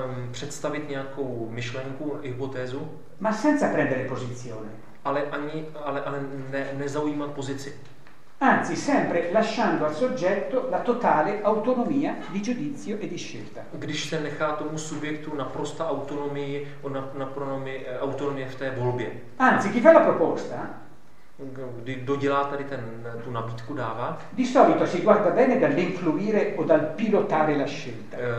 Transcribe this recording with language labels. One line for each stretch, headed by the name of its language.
Czech: představit nějakou myšlenku, hypotézu,
Italian: ma senza prendere posizione,
Czech: ale nezaujímat pozici,
Italian: anzi sempre lasciando al soggetto la totale autonomia di giudizio e di scelta.
Czech: Když se nechá tomu subjektu naprosta autonomie v té volbě.
Italian: Anzi, chi fa la proposta?
Czech: Kdy dodělá tady tu nabídku dává?
Italian: Di solito si guarda bene dall'influire o dal pilotare la scelta.